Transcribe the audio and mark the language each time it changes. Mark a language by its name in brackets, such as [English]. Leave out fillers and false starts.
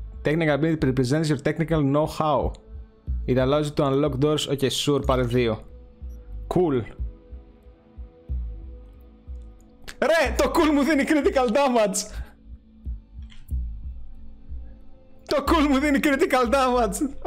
[English] Technical ability represents your technical know-how. It allows you to unlock doors. Okay, sure, [Greek] πάρε 2. [English] Cool. [Greek] Ρε, το cool μου δίνει critical damage. Το cool μου δίνει critical damage.